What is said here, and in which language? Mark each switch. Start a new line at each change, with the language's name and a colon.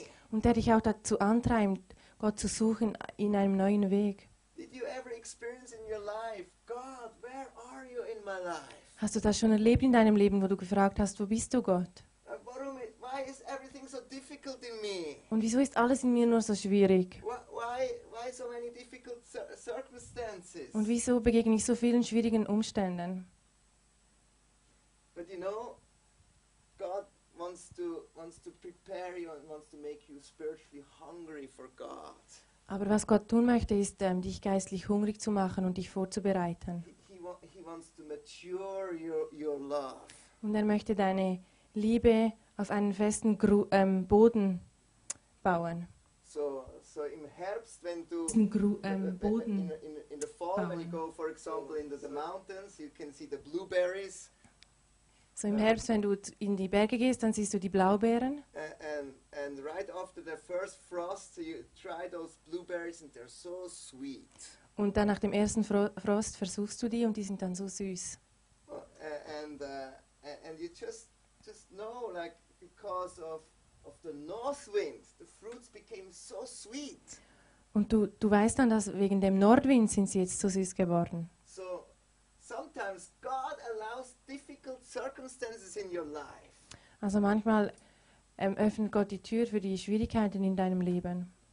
German: Und der dich auch dazu antreibt, Gott zu suchen in einem neuen Weg.
English: Did you ever experience in your life, God, where are you in my life?
German: Hast du das schon erlebt in deinem Leben, wo du gefragt hast, wo bist du, Gott?
English: Why is everything so difficult in me?
German: Und wieso ist alles in mir nur so schwierig?
English: Why so many difficult circumstances?
German: Und wieso begegne ich so vielen schwierigen Umständen?
English: But you know, God wants to prepare you and wants to make you spiritually hungry for God.
German: Aber was Gott tun möchte, ist, dich geistlich hungrig zu machen und dich vorzubereiten.
English: Wants to mature your love.
German: Und er möchte deine Liebe auf einen festen Boden bauen. So im Herbst, wenn du Boden
English: in the fall bauen. When you go for example into the mountains, you can see the blueberries.
German: So im Herbst, wenn du in die Berge gehst, dann siehst du die Blaubeeren.
English: And right after the first frost, you try those blueberries and they're so sweet.
German: Und dann nach dem ersten Frost versuchst du die und die sind dann so süß.
English: And you just know, like, because of the north wind, the fruits became so sweet.
German: Und du weißt dann, dass wegen dem Nordwind sind sie jetzt so süß geworden.
English: So sometimes God allows difficult circumstances in your life.
German: Also manchmal öffnet Gott die Tür für die Schwierigkeiten in deinem Leben.